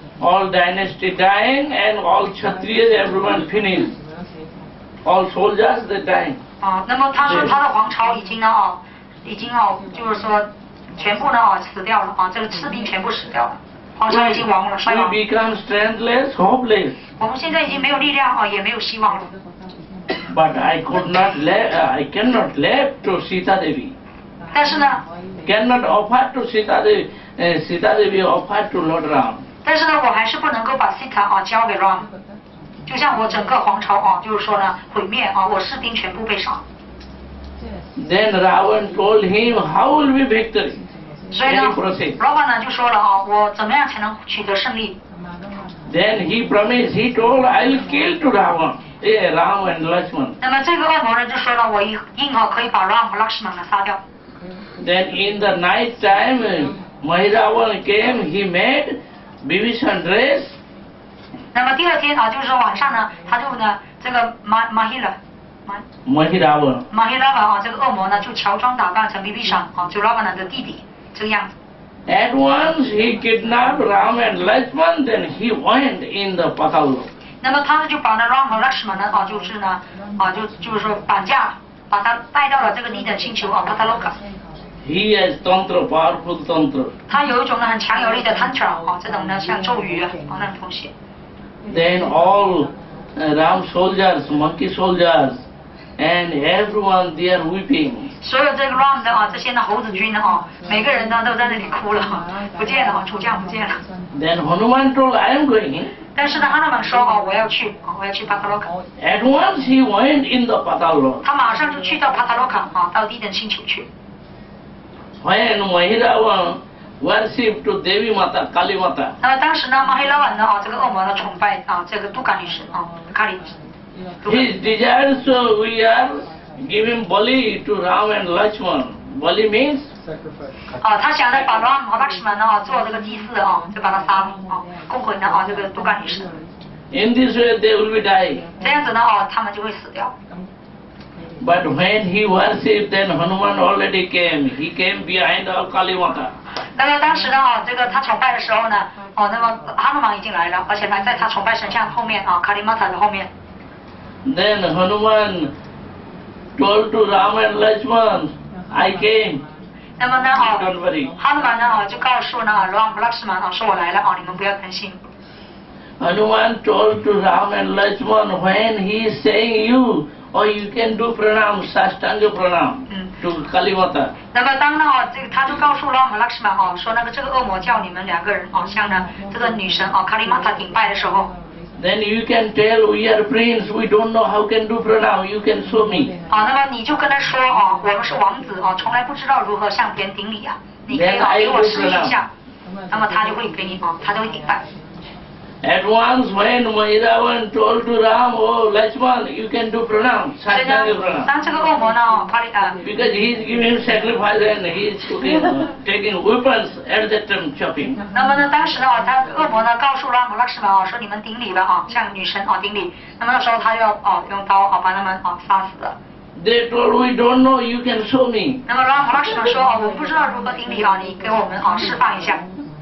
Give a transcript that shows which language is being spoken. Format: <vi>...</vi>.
<en>All dynasty dying and all Kshatriyas everyone finished. All soldiers they dying.</en> <zh>那么他说他的皇朝已经已经就是说全部死掉了这个士兵全部死掉了，皇朝已经亡了，衰亡。</zh> <en>We become strengthless, hopeless.</en> <zh>我们现在已经没有力量也没有希望了。</zh> <en>But I could not I cannot leave to Sita Devi.</en> <zh>但是呢</zh> <en>cannot offer to Sita Devi, Sita Devi offer to Lord Ram.</en> <zh>但是呢我还是不能够把 Sita 交给 Ram. 就像我整个皇朝就是说呢毁灭我士兵全部被杀。</zh> <en>Then Ravan told him, how will be victory?</en> <zh>所以呢 Ravan 就说了我怎么样才能取得胜利。</zh> <en>Then he promised, he told, I'll kill to Ravan, Ram and Lakshman.</en> <zh>那么这个恶魔呢就说了我硬可以把 Ram 和 Lakshman 杀掉。</zh> <en>Then in the night time, Mahiravan came, he made Vibhishan dress.</en> <zh>那么第二天就是晚上呢他就呢这个 Mahiravan. Mahiravan, 这个恶魔呢就乔装打扮成 Vibhishan, 就 Ravana 的弟弟这个样子。</zh> <en>At once he kidnapped Ram and Lakshman, then he went in the Patal.</en> <zh>那么他们就把那 Ram 和 Lakshman 就是呢就是说绑架把他带到了这个逆等星球Pataloka。</zh> <en>He has tantra, powerful tantra.</en> <zh>他有一种很强有力的 tantra, 这种呢像咒语那种东西。</zh> <en>Then all Ram soldiers, monkey soldiers, and everyone there weeping.</en> <zh>所有这个 Ram 的这些猴子军每个人都在那里哭了，不见了，出将不见了。</zh> <en>Then Hanuman told, I am going.</en> <zh>但是呢，哈努曼说我要去，我要去 Pataloka.</zh> <en>At once he went in the Pataloka.</en> <zh>他马上就去到 Pataloka, 到低等星球去。</zh> <en>When Mahiravan worshipped to Devi Mata, Kali Mata.</en> <zh>那么当时呢 ，Mahiravan 呢这个恶魔呢崇拜这个杜卡女神Kali。</zh> <en>His desires, so we are giving Bali to Ram and Lakshman. Bali means sacrifice.</en> <zh>他想着把 Ram 和 Lakshman 做这个祭祀就把他杀了供奉了这个杜卡女神。</zh> <en>In this way, they will be die.</en> <zh>这样子呢他们就会死掉。</zh> <en>But when he worshipped, then Hanuman already came. He came behind our Kali Mata.</en> <zh>那么当时呢，这个他崇拜的时候呢，那么哈努曼已经来了，而且呢，在他崇拜神像后面Kali Mata的后面。</zh> <en>Then Hanuman told to Ram and Lakshman, "I came."</en> <zh>那么呢，哈努曼呢，就告诉呢Ram Lakshman 说我来了你们不要担心。</zh> <en>Hanuman told to Ram and Lakshman, "When he is saying you." Or you can do pranam, sastanga pranam to Kali Mata.</en> <zh>那么当呢，他就告诉 Ram Lakshman 说那个这个恶魔叫你们两个人向呢这个女神Kali Mata顶拜的时候。</zh> <en>Then you can tell we are prince, we don't know how can do pranam. You can show me.</en> <zh>好，那么你就跟他说我们是王子从来不知道如何向别人顶礼你可以给我试一下。那么他就会给你他就会顶拜。</zh> <en>At once when Vaidavan told to Ram, oh, Lachman, you can do pranam, sanchanga pranam. Because he is giving sacrifice and he is cooking, taking weapons at that time chopping. They told, we don't know, you can show me.</en>